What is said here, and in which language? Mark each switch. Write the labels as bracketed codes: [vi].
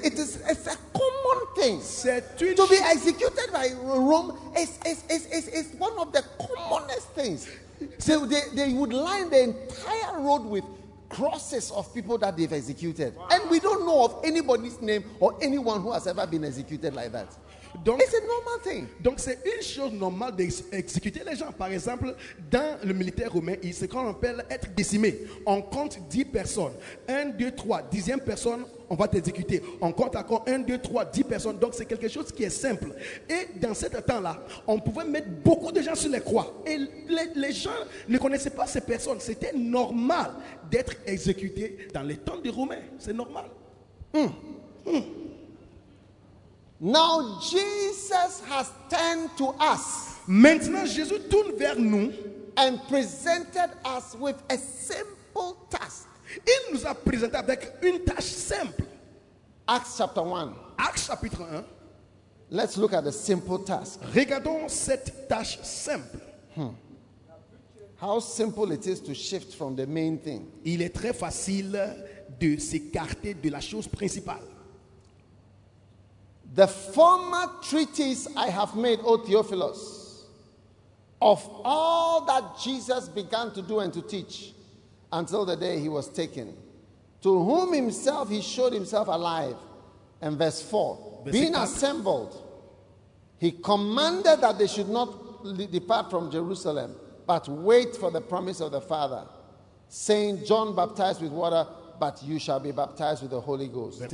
[en] It's a common thing. To be executed by Rome is one of the commonest things. So they would line the entire road with crosses of people that they've executed. Wow. And we don't know of anybody's name or anyone who has ever been executed like that. Donc, it's a normal thing. [fr] Donc c'est une chose normale d'exécuter les gens. Par exemple, dans le militaire romain, c'est ce qu'on appelle être décimé. On compte 10 personnes. 1, 2, 3, 10e personne, on va t'exécuter. On compte encore 1, 2, 3, 10 personnes. Donc c'est quelque chose qui est simple. Et dans cet temps-là, on pouvait mettre beaucoup de gens sur les croix. Et les gens ne connaissaient pas ces personnes. C'était normal d'être exécuté dans les temps des Romains. C'est normal. [en] Now Jesus has turned to us. [fr] Maintenant Jésus tourne vers nous [en] and presented us with a simple task. [fr] Il nous a présenté avec une tâche simple. [en] Acts chapter 1. [fr] Acts chapitre 1. [en] Let's look at the simple task. [fr] Regardons cette tâche simple. [en] How simple it is to shift from the main thing. [fr] Il est très facile de s'écarter de la chose principale. [en] The former treatise I have made, O Theophilus, of all that Jesus began to do and to teach until the day he was taken, to whom himself he showed himself alive. And verse 4, being assembled, he commanded that they should not depart from Jerusalem, but wait for the promise of the Father, saying, John baptized with water, but you shall be baptized with the Holy Ghost.